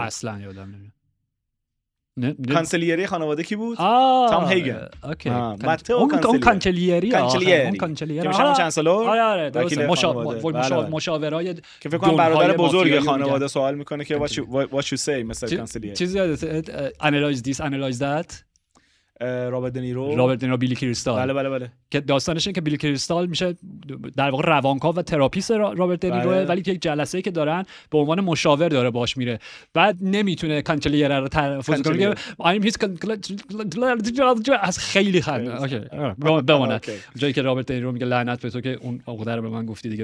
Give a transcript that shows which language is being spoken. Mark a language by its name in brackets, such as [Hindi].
[Persian] اصلا یادم نمیاد. کانسلیری خانواده کی بود؟ تام هیگن. اوکی. ماتئو کانسلیری. کانسلیری. میشه چند سالو؟ آره آره. مشاورای که فکر کنم برادر بزرگ خانواده سوال میکنه که [English] what you say [Persian] مثلا کانسلیری. چیزی یادت [English] analyze this analyze that. [Persian] رابرت دنیرو. رابرت دنیرو بیلی کریستال. بله بله بله. که داستانش اینه که بیلی کریستال میشه در واقع روانکاو و تراپیست رابرت دنیرو، ولی یک جلسه‌ای که دارن به عنوان مشاور داره باش میره. بعد نمیتونه کانچلیر رو تلفظ کنه. [English] I'm his chancellor. [Persian] از خیلی خنده. اوکی. بمونه. جایی که رابرت دنیرو میگه لعنت به تو که اون آقا داره به من گفتی دیگه.